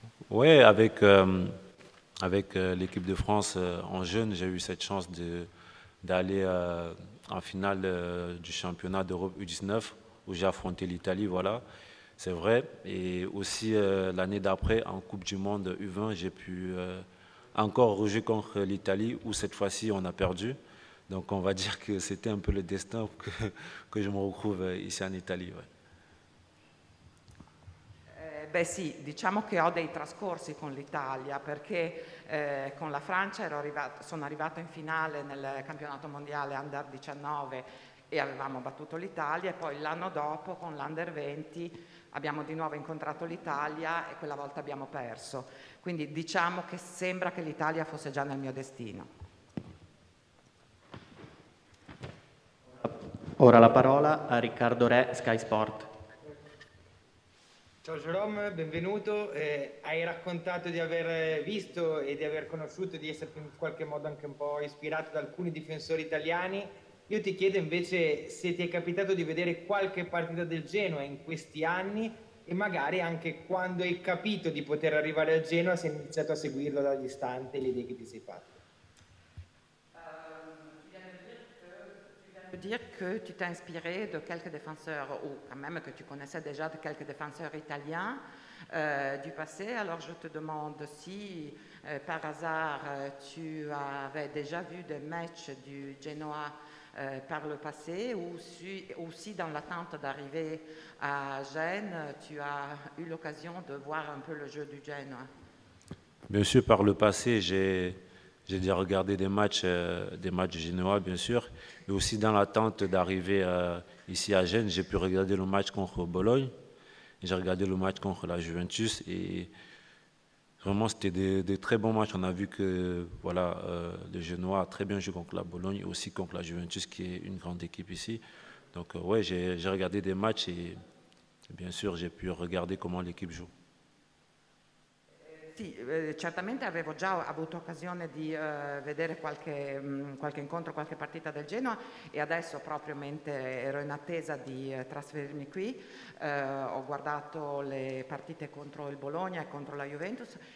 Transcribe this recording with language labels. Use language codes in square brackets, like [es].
[fr] Oui, avec l'équipe de France en jeune, j'ai eu cette chance d'aller en finale du championnat d'Europe U19 où j'ai affronté l'Italie, voilà, c'est vrai. Et aussi l'année d'après, en Coupe du Monde U20, j'ai pu encore rejouer contre l'Italie où cette fois-ci on a perdu. Donc on va dire que c'était un peu le destin que je me retrouve ici en Italie, ouais. [it] Beh sì, diciamo che ho dei trascorsi con l'Italia, perché con la Francia sono arrivato in finale nel campionato mondiale Under 19 e avevamo battuto l'Italia, e poi l'anno dopo con l'Under 20 abbiamo di nuovo incontrato l'Italia e quella volta abbiamo perso. Quindi diciamo che sembra che l'Italia fosse già nel mio destino. Ora la parola a Riccardo Re, Sky Sport. Ciao Jerome, benvenuto. Hai raccontato di aver visto e di aver conosciuto, di essere in qualche modo anche un po' ispirato da alcuni difensori italiani. Io ti chiedo invece se ti è capitato di vedere qualche partita del Genoa in questi anni, e magari anche quando hai capito di poter arrivare al Genoa, se hai iniziato a seguirlo da distante, le idee che ti sei fatte. [fr] Dire que tu t'es inspiré de quelques défenseurs, ou quand même que tu connaissais déjà de quelques défenseurs italiens du passé, alors je te demande si par hasard tu avais déjà vu des matchs du Genoa par le passé, ou si dans l'attente d'arriver à Gênes tu as eu l'occasion de voir un peu le jeu du Genoa. Bien sûr, par le passé j'ai déjà regardé des matchs du Genoa, bien sûr. Et aussi dans l'attente d'arriver ici à Gênes, j'ai pu regarder le match contre Bologne. J'ai regardé le match contre la Juventus. Et vraiment, c'était des très bons matchs. On a vu que voilà, le Genoa a très bien joué contre la Bologne et aussi contre la Juventus, qui est une grande équipe ici. Donc, j'ai regardé des matchs et bien sûr, j'ai pu regarder comment l'équipe joue. [it] Sì, certamente avevo già avuto occasione di vedere qualche incontro, qualche partita del Genoa, e adesso proprio mentre ero in attesa di trasferirmi qui ho guardato le partite contro il Bologna e contro la Juventus.